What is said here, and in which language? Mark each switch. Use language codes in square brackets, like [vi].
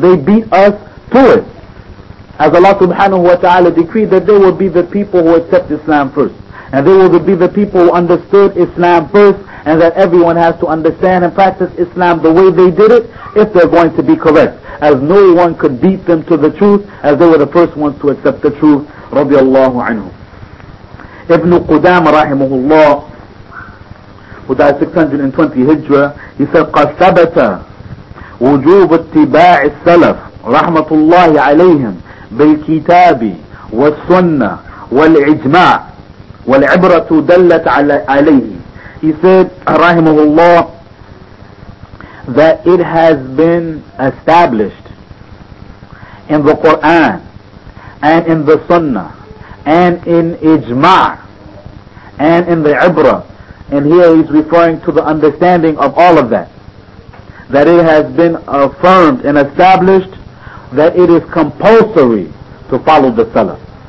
[en] They beat us to it. As Allah subhanahu wa ta'ala decreed that they would be the people who accept Islam first. And they would be the people who understood Islam first, and that everyone has to understand and practice Islam the way they did it, if they're going to be correct. As no one could beat them to the truth, as they were the first ones to accept the truth. Radiallahu anhu. Ibn Qudama rahimahullah, who died 620 Hijra, he said, [ar] قَدْ ثَبَتَ وُجُوبُ اتِّبَاعِ السَّلَفِ رَحْمَةُ اللَّهِ عَلَيْهِمْ بِالْكِتَابِ وَالسُّنَّةِ وَالْعِجْمَاعِ وَالْعِبْرَةُ دَلَّتْ عَلَيْهِ. [en] He said, rahimahullah, that it has been established in the Quran and in the Sunnah and in Ijma' and in the Ibrah. And here he's referring to the understanding of all of that. That it has been affirmed and established that it is compulsory to follow the Salaf.